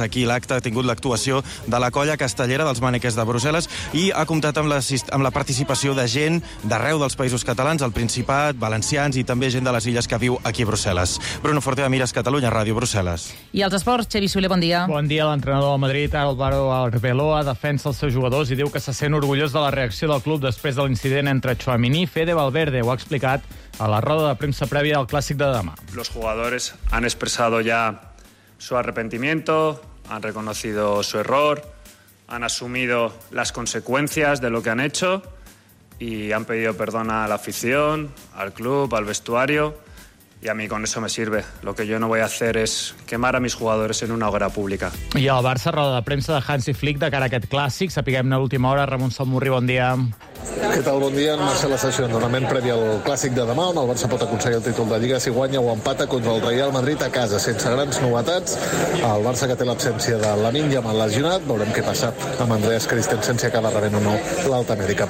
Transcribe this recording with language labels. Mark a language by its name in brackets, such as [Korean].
[Catalan] Aquí l'acte ha tingut l'actuació de la colla castellera dels Maniquers de Brussel·les i ha comptat amb la participació de gent d'arreu dels països catalans, el Principat, valencians i també gent de les illes que viu aquí a Brussel·les. Bruno Forte Amires, Catalunya Ràdio, Brussel·les. I els esports, Xevi Soler, bon dia. Bon dia. L'entrenador del Madrid, Álvaro Arbeloa, defensa els seus jugadors i diu que se sent orgullós de la reacció del club després de l'incident entre Tchouaméni i Fede Valverde. Ho ha explicat a la roda de premsa previa al clàssic de demà. [Spanish] Los jugadores han expresado ya su arrepentimiento, han reconocido su error, han asumido las consecuencias de lo que han hecho y han pedido perdón a la afición, al club, al vestuario, y a mí con eso me sirve. Lo que yo no voy a hacer es quemar a mis jugadores en una hoguera pública. [Catalan] I al Barça, roda de premsa de Hansi Flick de cara a aquest clàssic. Sapiguem-ne l'última hora. Ramon Salmurri, bon dia. Què tal? Bon dia. En marxa la sessió d'entrenament prèvia al clàssic de demà, on el Barça pot aconseguir el títol de Lliga si guanya o empata contra el Real Madrid a casa, sense grans novetats. El Barça, que té l'absència de Lamine Yamal lesionat, veurem què passa amb Andreas Christensen, si acaba rebent o no l'alta mèdica.